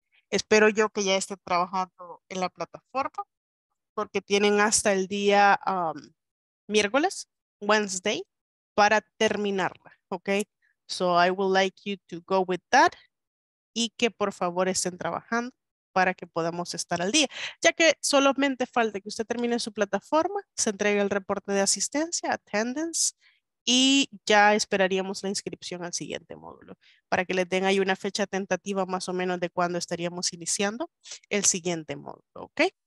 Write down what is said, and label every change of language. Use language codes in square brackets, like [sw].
[es] Espero yo que ya esté trabajando en la plataforma, porque tienen hasta el día miércoles, Wednesday, para terminarla, okay? [en] So I would like you to go with that. [es] Y que por favor estén trabajando para que podamos estar al día. Ya que solamente falta que usted termine su plataforma, se entregue el reporte de asistencia, attendance, y ya esperaríamos la inscripción al siguiente módulo. Para que le den ahí una fecha tentativa más o menos de cuándo estaríamos iniciando el siguiente módulo, ¿ok?